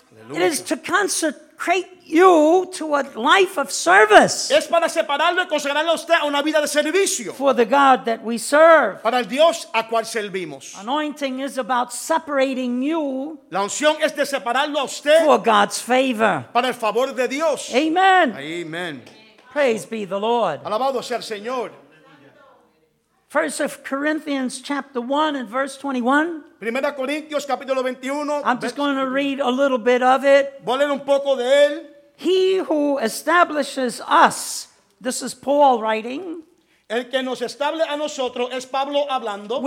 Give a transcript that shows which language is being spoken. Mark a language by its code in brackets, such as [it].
[en] It is to consecrate you to a life of service. [es] Es para separarlo y consagrarlo a usted a una vida de servicio. [en] For the God that we serve. [es] Para el Dios a cual servimos. [en] Anointing is about separating you. [es] La unción es de separarlo a usted. [en] For God's favor. [es] Para el favor de Dios. Amen. Amen. [en] Praise be the Lord. [es] Alabado sea el Señor. [en] 1 Corinthians chapter 1 and verse 21. [es] Primera Corintios capítulo 21. [en] I'm just going to read a little bit of it. [es] Voy a leer un poco de él. [en] He who establishes us, this is Paul writing. [es] El que nos establece a nosotros es Pablo hablando.